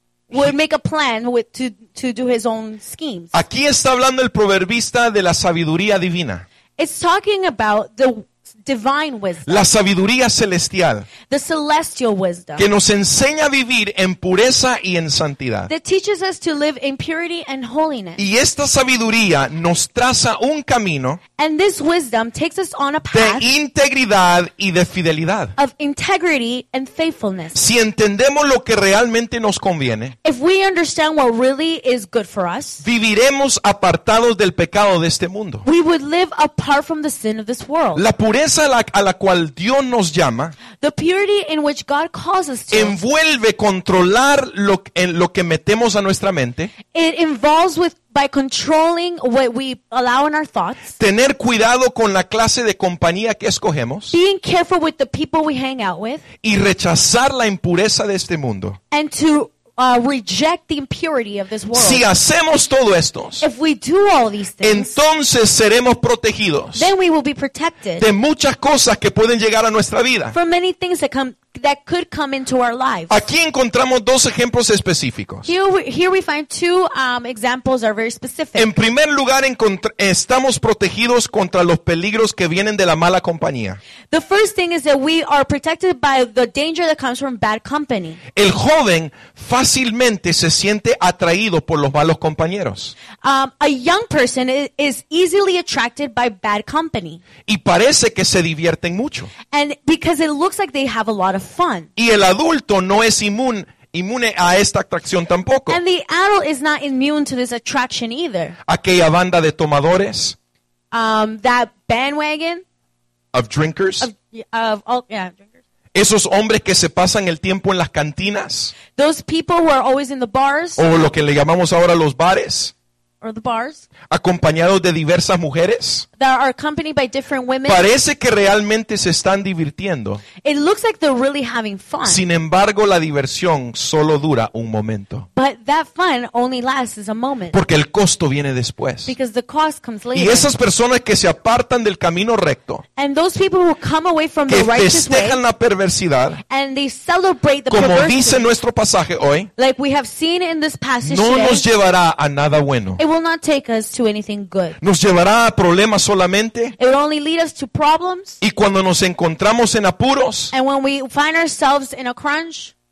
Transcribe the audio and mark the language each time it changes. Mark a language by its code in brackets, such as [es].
[en] Would make a plan to do his own schemes. [es] Aquí está hablando el proverbista de la sabiduría divina. [en] It's talking about the divine wisdom. [es] La sabiduría celestial. [en] The celestial wisdom. [es] Que nos enseña a vivir en pureza y en santidad. [en] That teaches us to live in purity and holiness. [es] Y esta sabiduría nos traza un camino. [en] And this wisdom takes us on a path. [es] De integridad y de fidelidad. [en] Of integrity and faithfulness. [es] Si entendemos lo que realmente nos conviene. [en] If we understand what really is good for us. [es] Viviremos apartados del pecado de este mundo. [en] We would live apart from the sin of this world. [es] La pureza a la cual Dios nos llama, [en] the purity in which God calls us to, [es] envuelve controlar lo que metemos a nuestra mente. [en] It involves with by controlling what we allow in our thoughts. [es] Tener cuidado con la clase de compañía que escogemos. [en] Being careful with the people we hang out with. [es] Y rechazar la impureza de este mundo. [en] And to reject the impurity of this world. [es] Si hacemos todo esto, [en] if we do all these things, [es] entonces seremos protegidos, [en] then we will be protected, [es] de muchas cosas que pueden llegar a nuestra vida, [en] from many things that come that could come into our lives. [es] Aquí encontramos dos ejemplos específicos. [en] Here we find two examples that are very specific. [es] En primer lugar, estamos protegidos contra los peligros que vienen de la mala compañía. [en] The first thing is that we are protected by the danger that comes from bad company. [es] El joven fácilmente se siente atraído por los malos compañeros. [en] A young person is easily attracted by bad company. [es] Y parece que se divierten mucho. [en] And because it looks like they have a lot of fun. [es] Y el adulto no es inmune a esta atracción tampoco. [en] And the adult is not immune to this attraction either. [es] Aquella banda de tomadores. [en] That bandwagon. Of drinkers. Drinkers. [es] Esos hombres que se pasan el tiempo en las cantinas. [en] Those people who are always in the bars. [es] O lo que le llamamos ahora los bares. [en] Or the bars, [es] acompañados de diversas mujeres, [en] that are accompanied by different women, [es] parece que realmente se están divirtiendo. [en] It looks like they're really having fun. [es] Sin embargo, la diversión solo dura un momento. [en] But that fun only lasts a moment. [es] Porque el costo viene después. [en] Because the cost comes later. [es] Y esas personas que se apartan del camino recto, [en] and those people who come away from the righteous way, [es] que festejan la perversidad, [en] and they celebrate the [es] como dice nuestro pasaje hoy, [en] like we have seen in this passage, [es] no nos llevará a nada bueno. [en] It will not take us to anything good. [es] Nos llevará a problemas solamente. [en] It will only lead us to problems. [es] Y cuando nos encontramos en apuros, [en] and when we find ourselves in a crunch,